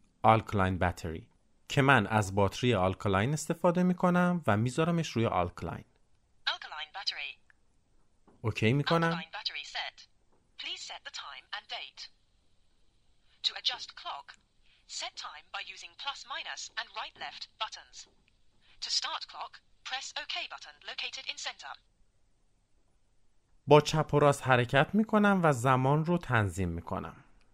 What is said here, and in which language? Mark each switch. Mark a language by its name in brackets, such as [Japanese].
[Persian] آلکالین باتری که من از باتری آلکالین استفاده میکنم و میذارمش روی آلکالین. آلکالین باتری اوکی میکنم. [English] Alkaline battery set, please set the time and date to adjust clock, set time by using plus minus and right left buttons. To start clock, press OK button located in center. [Persian] با چپ و راست حرکت میکنم و زمان رو تنظیم میکنم.